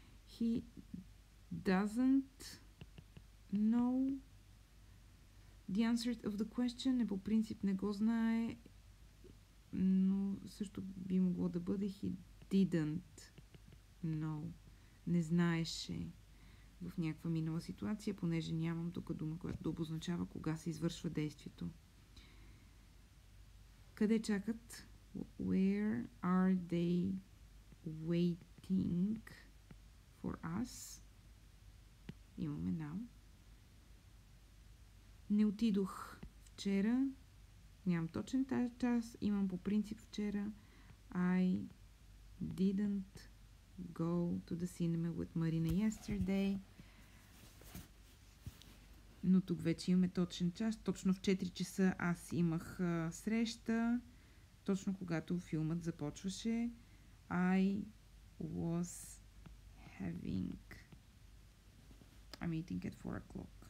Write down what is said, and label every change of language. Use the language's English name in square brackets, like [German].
[English] He doesn't know the answer of the question. [Bulgarian] Не, по принцип не го знае, но също би могло да бъде [English] he didn't know. [Bulgarian] Не знаеше в някаква минала ситуация, понеже нямам тук дума, която да обозначава кога се извършва действието. Къде чакат? [English] Where are they waiting for us? [Bulgarian] Имаме now. Не отидох вчера. Нямам точен тази час. Имам по принцип вчера. [English] I didn't go to the cinema with Marina yesterday. [Bulgarian] Но тук вече имаме точен час. Точно в 4 часа аз имах среща. Точно когато филмът започваше. [English] I was having... I'm eating at 4 o'clock.